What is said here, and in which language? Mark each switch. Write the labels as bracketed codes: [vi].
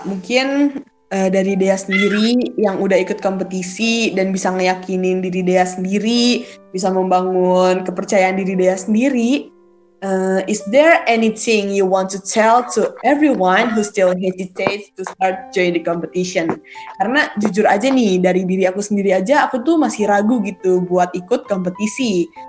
[id] Mungkin dari Dea sendiri yang udah ikut kompetisi dan bisa ngeyakinin diri Dea sendiri, bisa membangun kepercayaan diri Dea sendiri. [en] Is there anything you want to tell to everyone who still hesitates to start join the competition? [id] Karena jujur aja nih, dari diri aku sendiri aja, aku tuh masih ragu gitu buat ikut kompetisi.